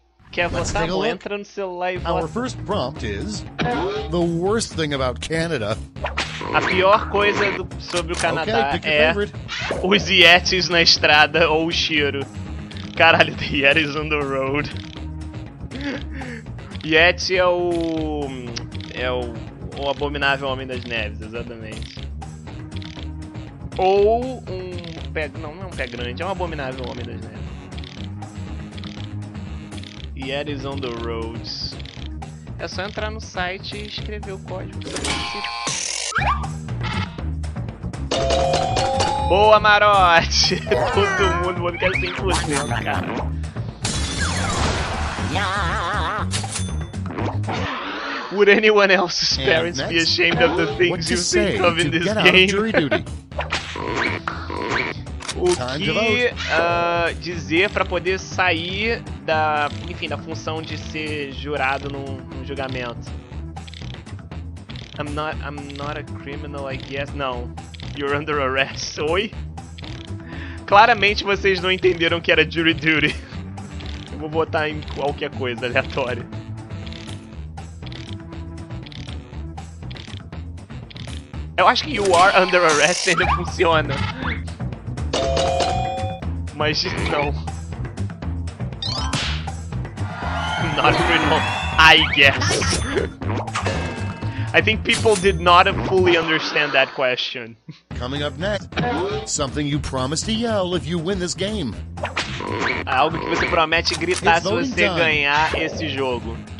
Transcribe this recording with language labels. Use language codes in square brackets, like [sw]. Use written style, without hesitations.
[pt] quer votar, bom, entra no celular e vota. [en] Our first prompt is the worst thing about Canada. [pt] A pior coisa sobre o Canadá, okay, é os Yetis na estrada ou o cheiro. [en] Caralho, the Yetis on the road. [pt] Yeti é o... é o abominável Homem das Neves, exatamente. Ou um pé... não, não é um pé grande, é um abominável Homem das Neves. [en] Yetis on the road. [pt] É só entrar no site e escrever o código. Boa, Marote! Todo mundo, mano, quer 100%, cara. [en] Would anyone else's parents be ashamed of the things you think of in this game? [pt] O que dizer pra poder sair da, enfim, da função de ser jurado num julgamento? [en] I'm not a criminal, I guess. Não. You're under arrest. Oi? [pt] Claramente vocês não entenderam que era jury duty. Eu vou botar em qualquer coisa aleatória. Eu acho que [en] you are under arrest [pt] ainda funciona. Mas não. [en] Not criminal, I guess. I think people did not fully understand that question. Coming up next, something you promise to yell if you win this game. [pt] Algo que você promete gritar se você ganhar esse jogo.